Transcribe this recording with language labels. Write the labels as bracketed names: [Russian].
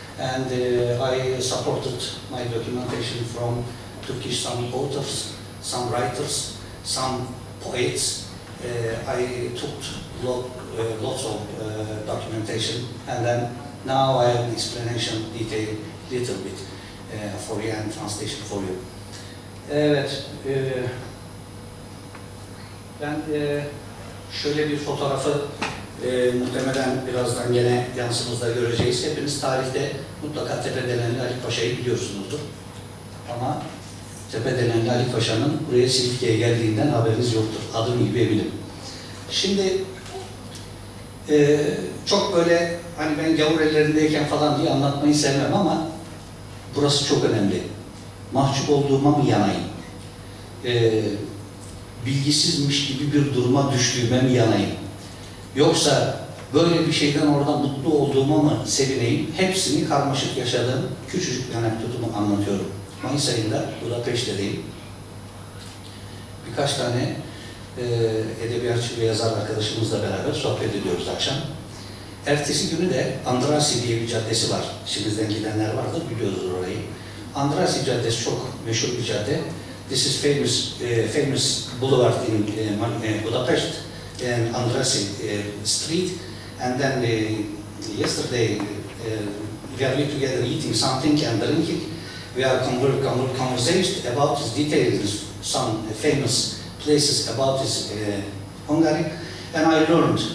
[English] And I supported my documentation from Turkish some authors, some writers, some poets. I took lots of documentation, and then now I have an explanation detail little bit for you and translation for you. [Turkish] Evet, ben şöyle bir fotoğrafı muhtemelen birazdan yine yansımızda göreceğiz. Hepiniz tarihte mutlaka Tepedelen Ali Paşa'yı biliyorsunuzdur. Ama Tepe denen Ali Paşa'nın buraya Silifke'ye geldiğinden haberiniz yoktur. Adım gibi eminim. Şimdi çok böyle hani ben gavur ellerindeyken falan diye anlatmayı sevmem ama burası çok önemli. Mahcup olduğuma mı yanayım? Bilgisizmiş gibi bir duruma düştüğüme mi yanayım? Yoksa böyle bir şeyden orada mutlu olduğuma mı sevineyim? Hepsini karmaşık yaşadığım küçücük bir anekdotumu anlatıyorum. Mayıs ayında Budapeşte'deyim. Birkaç tane edebiyatçı ve yazar arkadaşımızla beraber sohbet ediyoruz akşam. Ertesi günü de Andrassy diye bir caddesi var. Şimdiden gidenler vardır, biliyoruz orayı. Andrassy caddesi çok meşhur bir cadde. [English] This is famous famous boulevard in Budapest, and Andrassy street. And then yesterday we are together eating something and drinking. We are conversation about the details, some famous places about this Hungary. And I learned.